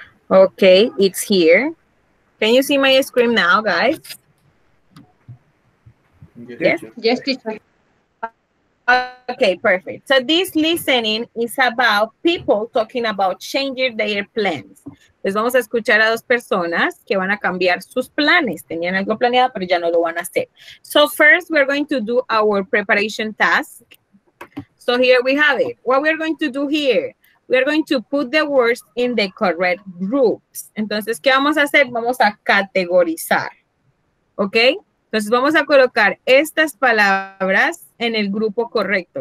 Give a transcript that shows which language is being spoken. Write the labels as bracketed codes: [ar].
[en] Okay, it's here. Can you see my screen now, guys? Yes, teacher. Okay, perfect. So this listening is about people talking about changing their plans. [es] Les vamos a escuchar a dos personas que van a cambiar sus planes. Tenían algo planeado, pero ya no lo van a hacer. [en] So first, we're going to do our preparation task. So here we have it. What we're going to do here? We are going to put the words in the correct groups. [es] Entonces, ¿qué vamos a hacer? Vamos a categorizar. ¿Ok? Entonces, vamos a colocar estas palabras en el grupo correcto.